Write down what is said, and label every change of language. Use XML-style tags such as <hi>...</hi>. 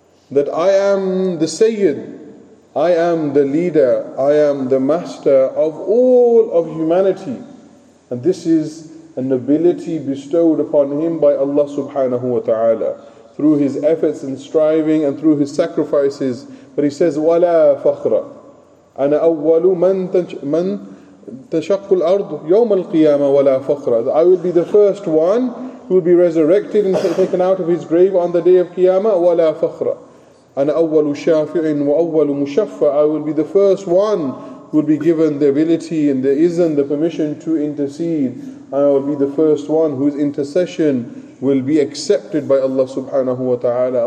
<en>That I am the Sayyid, I am the leader, I am the master of all of humanity. And this is a nobility bestowed upon him by Allah subhanahu wa ta'ala through his efforts and striving and through his sacrifices. But he says,</en> <ar>وَلَا فَخْرَ أَنَا أَوَّلُ مَنْ تَشَقُّ الْأَرْضُ يَوْمَ الْقِيَامَةِ وَلَا فَخْرَ.</ar> <en>I will be the first one who will be resurrected and taken out of his grave on the day of Qiyamah.</en> <ar>وَلَا فَخْرَ أَنَا أَوَّلُ شَافِعٍ وَأَوَّلُ مُشَفَّعٍ.</ar> <en>I will be the first one who will be given the ability and the izn, the permission to intercede. And I will be the first one whose intercession will be accepted by Allah subhanahu wa ta'ala.</en>